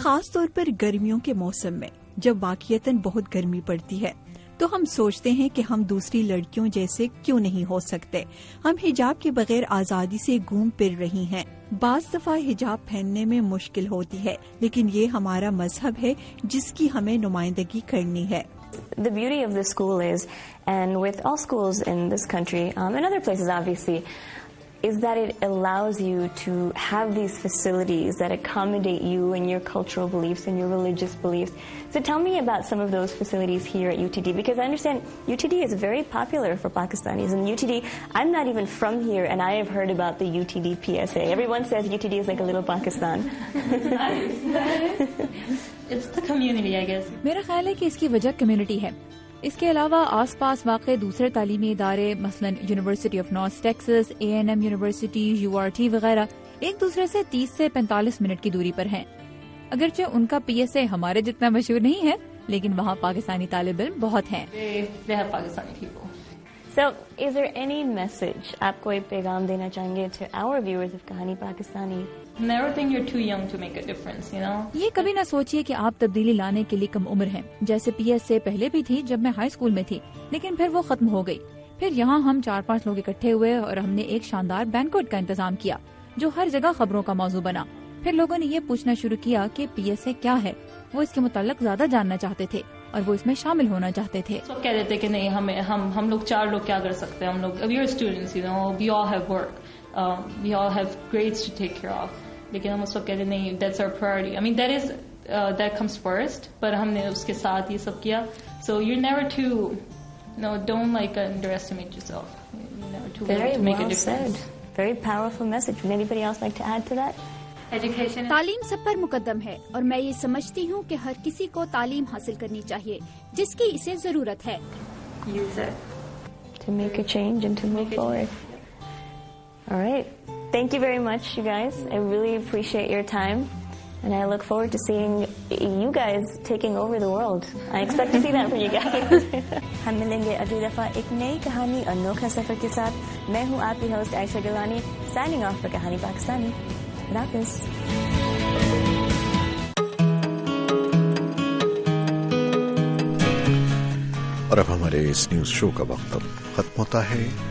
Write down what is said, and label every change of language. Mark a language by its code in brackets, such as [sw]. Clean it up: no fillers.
[ur] خاص طور پر گرمیوں کے موسم میں جب واقعتاً بہت گرمی پڑتی ہے تو ہم سوچتے ہیں کہ ہم دوسری لڑکیوں جیسے کیوں نہیں ہو سکتے. ہم حجاب کے بغیر آزادی سے گھوم پھر رہی ہیں. بعض دفعہ حجاب پہننے میں مشکل ہوتی ہے, لیکن یہ ہمارا مذہب ہے جس کی ہمیں نمائندگی کرنی ہے. [en] The beauty of this school is, and with all schools in this country and other places obviously, is that it allows you to have these facilities that accommodate you and your cultural beliefs and your religious beliefs. So tell me about some of those facilities here at UTD, because I understand UTD is very popular for Pakistanis. And UTD, I'm not even from here, and I have heard about the UTD PSA. Everyone says UTD is like a little Pakistan. It's the community, I guess. [ur] میرا خیال ہے کہ اس کی وجہ community ہے. اس کے علاوہ آس پاس واقع دوسرے تعلیمی ادارے, مثلاً university of north Texas, a N M university, you are T وغیرہ, ایک دوسرے سے 30 سے 45 منٹ کی دوری پر ہیں. اگرچہ ان کا پی ایس اے ہمارے جتنا مشہور نہیں ہے, لیکن وہاں پاکستانی طالب علم بہت ہیں. [en] So, is there any message [ur] آپ کو ایک پیغام دینا چاہیں گے [en] to our viewers of کہانی پاکستانی؟ Never think you're too young to make a difference, you know. [ur] یہ کبھی نہ سوچئے کہ آپ تبدیلی لانے کے لیے کم عمر ہیں. جیسے پی ایس اے پہلے بھی تھی جب میں ہائی اسکول میں تھی, لیکن پھر وہ ختم ہو گئی. پھر یہاں ہم 4-5 لوگ اکٹھے ہوئے اور ہم نے ایک شاندار بینکوٹ کا انتظام کیا جو ہر جگہ خبروں کا موضوع بنا. پھر لوگوں نے یہ پوچھنا شروع کیا کہ پی ایس اے کیا ہے. وہ اس کے متعلق زیادہ جاننا چہتے تھے اور وہ اس میں شامل ہونا چاہتے تھے. سب کہہ رہے تھے کہ نہیں, ہم لوگ 4 لوگ کیا کر سکتے ہیں. ہم لوگ [en] Your students, you know, we all have work, we all have grades to take care of. [ur] لیکن ہم اس کو کہتے نہیں, [en] That's our priority. I mean, that is, that comes first. [ur] پر ہم نے اس کے ساتھ یہ سب کیا. [en] So you never to, no, don't like underestimate yourself. Very powerful message. Would anybody else like to add to that? [ur] تعلیم سب پر مقدم ہے, اور میں یہ سمجھتی ہوں کہ ہر کسی کو تعلیم حاصل کرنی چاہیے جس کی اسے ضرورت ہے. [en] To make a change and to move forward. All right. Thank you very much, you guys. I really appreciate your time, and I look forward to seeing you guys taking over the world. I expect to see that from you guys. [ur] ہم ملیں گے اگلی دفعہ ایک نئی کہانی اور نوکھا سفر کے ساتھ. میں ہوں آپ کی host Aisha Gilani, [en] signing off for [ur] کہانی پاکستانی. اور اب ہمارے اس نیوز شو کا وقت اب ختم ہوتا ہے.